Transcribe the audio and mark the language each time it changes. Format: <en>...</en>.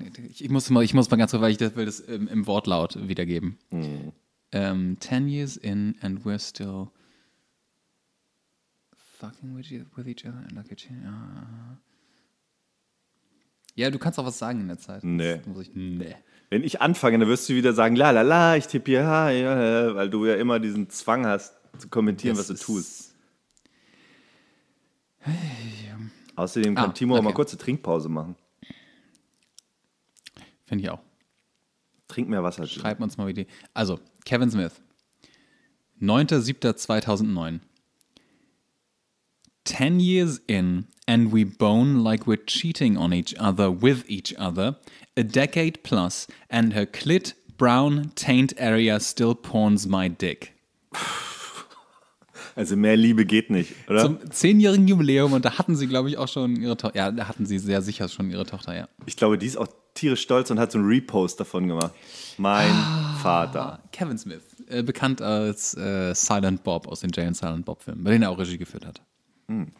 <de>Ich muss mal ganz kurz, weil ich das will das im Wortlaut wiedergeben. Mm.</de> <en>10 years in and we're still fucking with each other. And each other.</en> <de>Ja, du kannst auch was sagen in der Zeit. Nee. Wenn ich anfange, dann wirst du wieder sagen, la la la, ich tippe hier, ja, weil du ja immer diesen Zwang hast, zu kommentieren, was du tust. Außerdem kann Timo auch mal kurz eine Trinkpause machen. Finde ich auch. Trink mehr Wasser. Schreib uns mal Idee. Also, Kevin Smith. 9.7.2009.</de> <en>10 years in and we bone like we're cheating on each other with each other. A decade plus and her clit brown taint area still pawns my dick.</en> <de>Also mehr Liebe geht nicht, oder? Zum 10-jährigen Jubiläum und da hatten sie, glaube ich, auch schon ihre Tochter. Ja, da hatten sie sehr sicher schon ihre Tochter, ja. Ich glaube, die ist auch tierisch stolz und hat so einen Repost davon gemacht. Mein Vater. Kevin Smith, bekannt als Silent Bob aus den Jay und Silent Bob Filmen, bei denen er auch Regie geführt hat. Hm.</de>